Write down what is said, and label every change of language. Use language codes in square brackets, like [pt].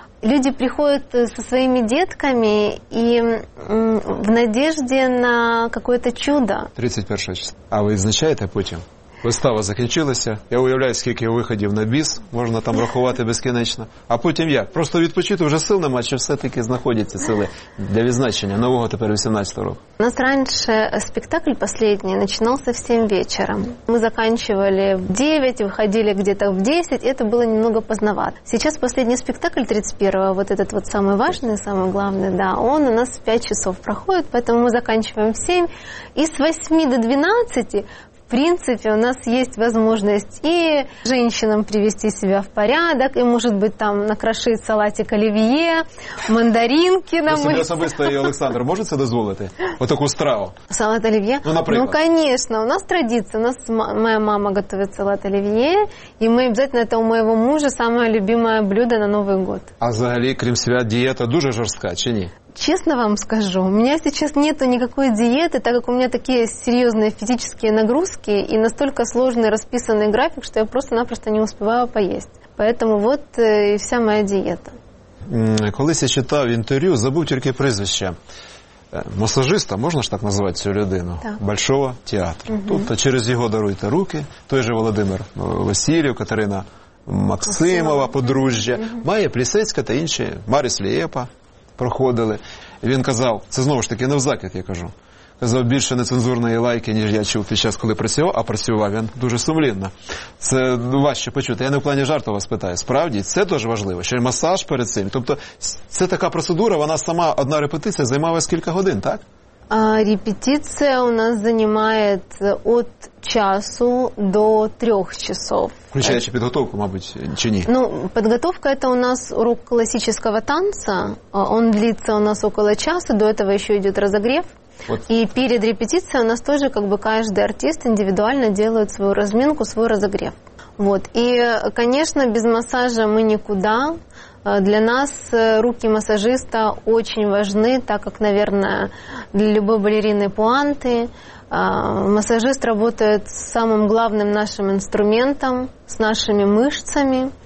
[ru] Люди приходят со своими детками и в надежде на какое-то чудо. 31 число. А вы означаете путем? [uk] вистава закінчилася. Я уявляю, скільки виходів на біс можна там рахувати безкінечно. А потім як? Просто відпочити, вже сил нема, чи все-таки знаходяться сили для відзначення нового тепер 18-го року? У нас раніше спектакль останній починався в 7 вечора. Ми закінчували в 9, виходили десь в 10, і це було немного пізновато. Зараз останній спектакль 31-го, ось цей вот найважливіший, найголовніший, да, він [ru] у нас в 5 часов проходить, тому ми закінчуємо в 7, і з 8 до 12 в принципе, у нас есть возможность и женщинам привести себя в порядок, и, может быть, там накрошить салатик оливье, мандаринки на мыльце. Если бы особисто, Александр, может себе дозволить вот такую страву? Салат оливье? Ну, например. Ну, конечно, у нас традиция. У нас моя мама готовит салат оливье, и мы обязательно, это у моего мужа самое любимое блюдо на Новый год. [uk] А взагалі, крім себя, диета дуже жорстка, чи ні? [ru] Честно вам скажу, у меня сейчас нету никакой диеты, так как у меня такие серьезные физические нагрузки и настолько сложный расписанный график, что я просто-напросто не успеваю поесть. Поэтому вот и вся моя диета. [uk] Колись я читав інтерв'ю, забув тільки прізвище. Масажиста, можна ж так назвати цю людину? Так. Большого театру. Угу. Тобто через його даруйте руки, той же Володимир Васильєв, Катерина Максимова, подружжя, угу. Майя Плісецька та інші, Маріс Лєпа. Проходили. Він казав, це знову ж таки не в закид, я кажу. Казав, більше нецензурної лайки, ніж я чув під час, коли працював, а працював він дуже сумлінно. Це важче почути. Я не в плані жарту вас питаю. Справді, це теж важливо, що масаж перед цим. Тобто, це така процедура, вона сама, одна репетиція, займала скільки годин, так? Репетиція у нас займає від часу до 3 часов. Включаючи підготовку, мабуть, чи ні? Ну, підготовка – це у нас урок класичного танцю. Він длиться у нас около часу, до цього ще йде розогрів. І перед репетицією у нас теж, як би, кожен артист індивідуально робить свою розмінку, свій розогрів. Вот. І, звісно, без масажу ми нікуди. [ru] Для нас руки масажиста очень важны, так как, наверное, для любой балерины пуанты. Масажист работает с самым главным нашим инструментом, с нашими мышцами.